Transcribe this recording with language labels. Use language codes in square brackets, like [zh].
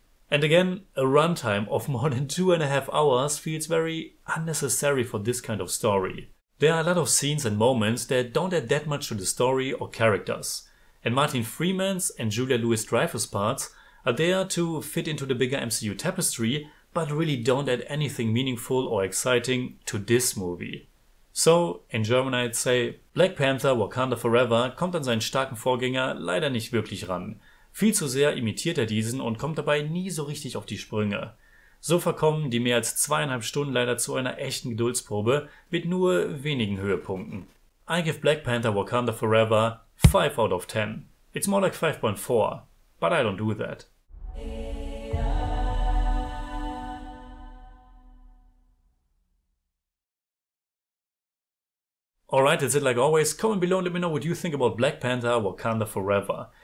[en] And again, a runtime of more than 2.5 hours feels very unnecessary for this kind of story. There are a lot of scenes and moments that don't add that much to the story or characters. And Martin Freeman's and Julia Louis-Dreyfus' parts are there to fit into the bigger MCU tapestry, but really don't add anything meaningful or exciting to this movie. So, in German I'd say, [de] Black Panther, Wakanda Forever kommt an seinen starken Vorgänger leider nicht wirklich ran. Viel zu sehr imitiert diesen und kommt dabei nie so richtig auf die Sprünge. So verkommen die mehr als 2.5 Stunden leider zu einer echten Geduldsprobe mit nur wenigen Höhepunkten. [en] I give Black Panther, Wakanda Forever 5 out of 10. It's more like 5.4, but I don't do that. Alright, that's it like always. Comment below and let me know what you think about Black Panther, Wakanda Forever.